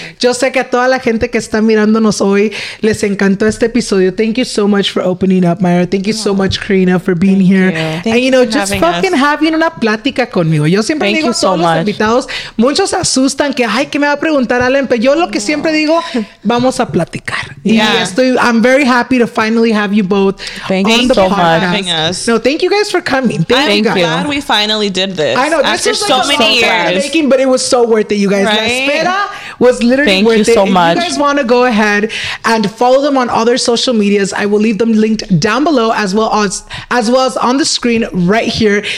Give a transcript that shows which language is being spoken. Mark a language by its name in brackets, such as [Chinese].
[Spanish] Yo sé que a toda la gente que está mirándonos hoy les encantó este episodio. [English] Thank you so much for opening up, Myra. Thank you so much, Karina, for being here. And, you know, just fucking having [Spanish] una plática conmigo. Yo siempre digo a todos los invitados, muchos se asustan que, ay, que me va a preguntar Alan, pero yo lo que siempre digo, vamos a platicar. Y estoy, [English] I'm very happy to finally have you both on the podcast. No, thank you guys for coming. I'm glad we finally did this. I know. After this is like so many years. Making, but it was so worth it, you guys. Right? [Spanish] La Espera [English] was literally worth it. Thank you so much. If you guys want to go ahead and follow them on all their social medias, I will leave them linked down below as well as on the screen right here.